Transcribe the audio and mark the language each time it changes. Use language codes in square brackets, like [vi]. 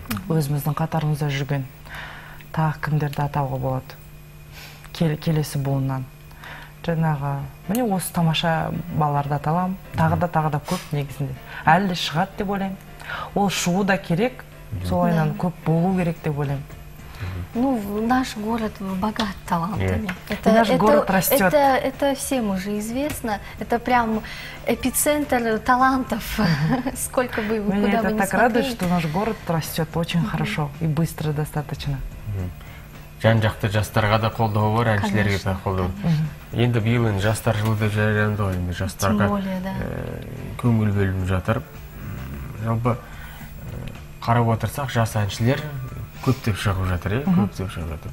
[kk] Өзіміздің қатарымызда жүрген тағы кімдерді атауға болады келесі буыннан. Жаңағы міне осы тамаша балаларды ата аламын. Тағы да көп негізінде. Әлі де шығады деп ойлаймын. Ол шығу да керек, солайынан көп болу керек деп ойлаймын. [ru] Ну, наш город богат талантами. Это, наш это, город растет. Это всем уже известно. Это прям эпицентр талантов. Сколько бы куда бы ни смотрели. Меня это так радует, что наш город растет очень хорошо и быстро достаточно. [kk] Жан-жақты жастарға да қолдау бар, әншілерге де қолдау. Енді биылын жастар жылы деп жарияланды ғой, енді жастарға көңіл бөліп жатыр. Жалпы қарап отырсақ, жас әншілер көптеп шығып жатыр, көптеп шығып жатыр.